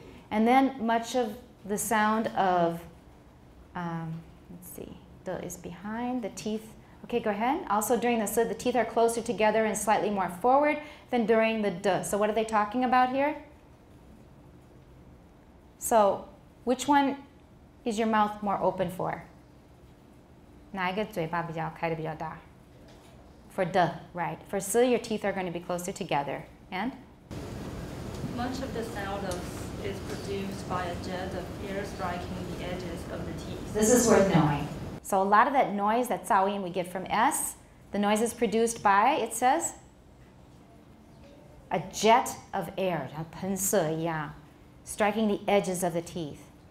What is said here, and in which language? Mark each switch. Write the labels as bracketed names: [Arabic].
[English] And then much of the sound of, let's see, D is behind the teeth. Okay, go ahead. Also during the S, the teeth are closer together and slightly more forward than during the D. So what are they talking about here? So which one is your mouth more open for? [Chinese] 哪一个嘴巴比较开得比较大? [English] For D, right. For S, your teeth are going to be closer together. And? Much of the sound is produced by a jet of air striking the edges of the teeth. This is worth knowing. So a lot of that noise, that zaoyin we get from S, the noise is produced by, it says, a jet of air, [Chinese] 喷射一样, [English] striking the edges of the teeth.